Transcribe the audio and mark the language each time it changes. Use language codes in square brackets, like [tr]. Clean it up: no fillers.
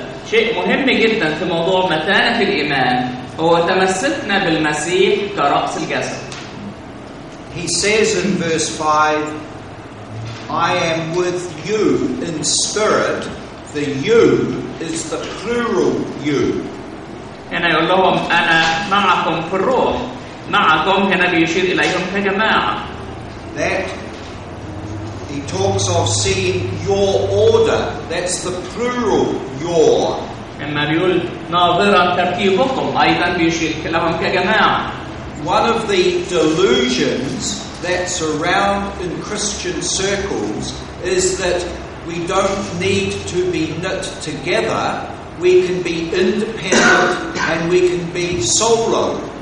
[ar] شيء مهم جدا في موضوع متانة الإيمان هو تمسكنا بالمسيح كرأس الجسد. [en] He says in verse 5, I am with you in spirit. The you is the plural you. [ar] هنا يقول لهم أنا معكم في الروح. معكم هنا بيشير إليهم كجماعة. [en] That he talks of seeing your order. That's the plural your. [ar] أما بيقول ناظرا تركيبكم أيضا بيشير كلهم كجماعة. [en] One of the delusions that's around in Christian circles is that we don't need to be knit together. We can be independent and we can be solo.